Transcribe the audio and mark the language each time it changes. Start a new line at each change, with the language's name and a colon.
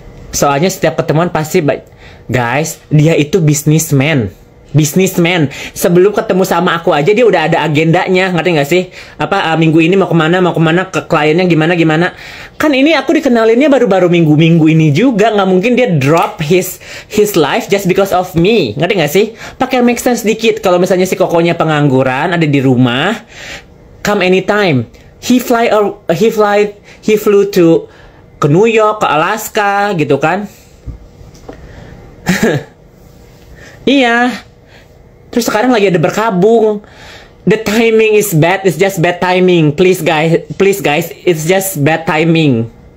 Indonesian: Soalnya setiap ketemuan pasti, guys, dia itu businessman. Businessman, sebelum ketemu sama aku aja dia udah ada agendanya, ngerti gak sih? Apa, minggu ini mau kemana, ke kliennya gimana. Kan ini aku dikenalinnya baru-baru minggu-minggu ini juga. Gak mungkin dia
English: drop his life just because of me,
Indonesian: ngerti gak sih? Pakai
English: make sense
Indonesian: dikit, kalau misalnya si Kokonya pengangguran, ada di rumah,
English: come anytime. He flew to
Indonesian: ke New York, ke Alaska, gitu kan. Iya. Terus sekarang lagi ada berkabung.
English: The timing is bad, it's just bad timing. Please guys, it's just bad timing.